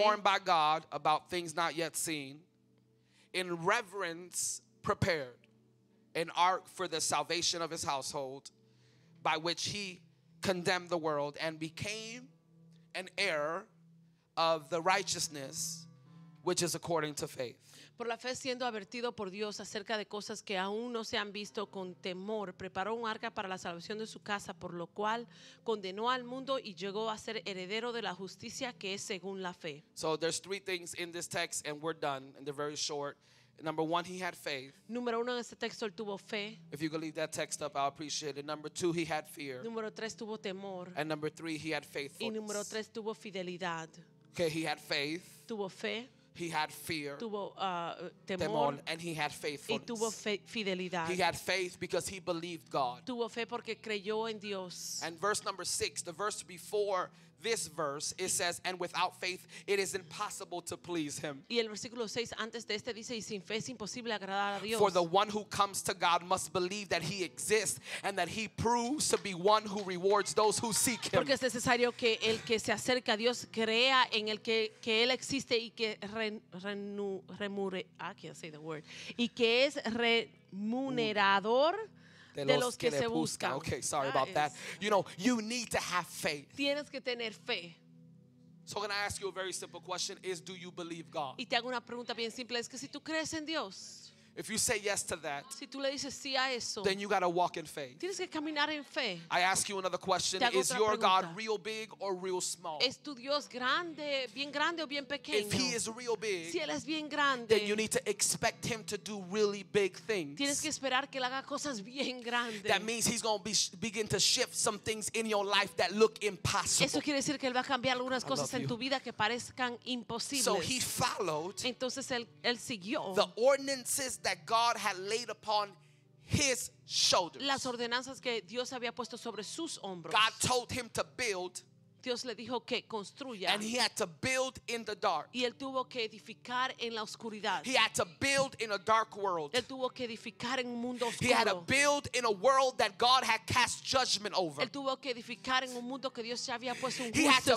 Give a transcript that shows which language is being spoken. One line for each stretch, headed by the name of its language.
English: Warned by God about things not yet seen, in reverence prepared an ark for the salvation of his household, by which he condemned the world and became an heir of the righteousness which is according to faith.
Spanish: Por la fe, siendo advertido por Dios acerca de cosas que aún no se han visto con temor, preparó un arca para la salvación de su casa, por lo cual condenó al mundo y llegó a ser heredero de la justicia que es según la fe.
English: So there's three things in this text and we're done, and they're very short. Number one, he had faith.
Spanish: Número uno, en este texto, él tuvo fe.
English: If you could leave that text up, I'll appreciate it. Number two, he had fear.
Spanish: Número tres, tuvo temor.
English: And number three, he had faithfulness.
Spanish: Y número tres, tuvo fidelidad.
English: Okay, he had faith.
Spanish: Tuvo fe.
English: He had fear.
Spanish: Tuvo temor.
English: And he had faithfulness.
Spanish: Y tuvo fidelidad.
English: He had faith because he believed God.
Spanish: Tuvo fe porque creyó en Dios.
English: And verse number six, the verse before this verse, it says, and without faith it is impossible to please him.
Spanish: Y el versículo 6 antes de este dice, y sin fe es imposible agradar a Dios.
English: For the one who comes to God must believe that he exists and that he proves to be one who rewards those who seek him.
Spanish: Porque es necesario que el que se acerca a Dios crea en el que él existe y que remure,
English: I can't say the word,
Spanish: y que es remunerador. De los que se buscan.
English: Okay, sorry about that. You know, you need to have faith.
Spanish: Tienes que tener fe.
English: So can I ask you a very simple question? Is do you believe God?
Spanish: Y te hago una pregunta bien simple. Es que si tú crees en Dios.
English: If you say yes to that,
Spanish: si tú le dices sí a eso,
English: then you got to walk in faith.
Spanish: Tienes que caminar en fe.
English: I ask you another question. Is your
Spanish: pregunta.
English: God real big or real small?
Spanish: ¿Es tu Dios grande, bien grande o bien pequeño?
English: If he is real big,
Spanish: si él es bien grande,
English: then you need to expect him to do really big things.
Spanish: Tienes que esperar que él haga cosas bien grandes.
English: That means he's going to begin to shift some things in your life that look impossible.
Spanish: Eso quiere decir que él va a cambiar algunas cosas en tu vida que parezcan imposibles.
English: So he followed.
Spanish: Entonces él siguió.
English: The ordinances that God had laid upon his shoulders.
Spanish: Las ordenanzas que Dios había puesto sobre sus hombros.
English: God told him to build.
Spanish: Dios le dijo que construya.
English: And he had to build in the dark.
Spanish: Y él tuvo que edificar en la oscuridad.
English: He had to build in a dark world.
Spanish: Él tuvo que edificar en un mundo oscuro.
English: He had to build in a world that God had cast judgment over.
Spanish: Él tuvo que edificar en un mundo que Dios ya había puesto un juicio